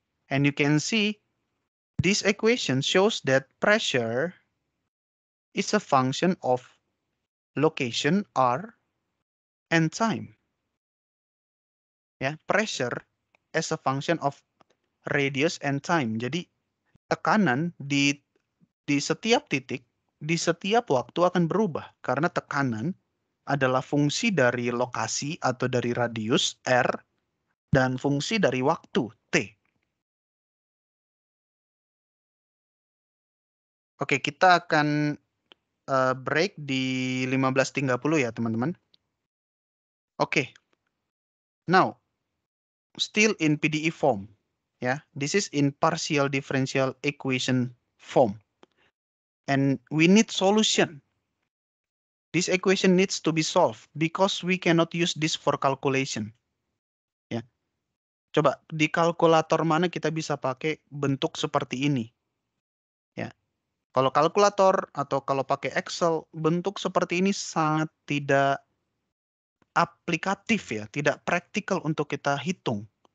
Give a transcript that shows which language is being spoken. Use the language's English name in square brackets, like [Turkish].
[English] And you can see this equation shows that pressure is a function of location R and time. Yeah, pressure as a function of radius and time. [Indonesian] Jadi tekanan di setiap titik, di setiap waktu akan berubah karena tekanan adalah fungsi dari lokasi atau dari radius R dan fungsi dari waktu T. Oke, kita akan break di 15.30 ya, teman-teman. Oke. [English] Now, still in PDE form. Yeah, this is in partial differential equation form. And we need solution. This equation needs to be solved because we cannot use this for calculation. Yeah. [Indonesian] Coba di kalkulator mana kita bisa pakai bentuk seperti ini? Yeah. Kalau kalkulator atau kalau pakai Excel, bentuk seperti ini sangat tidak aplikatif ya, tidak praktikal untuk kita hitung.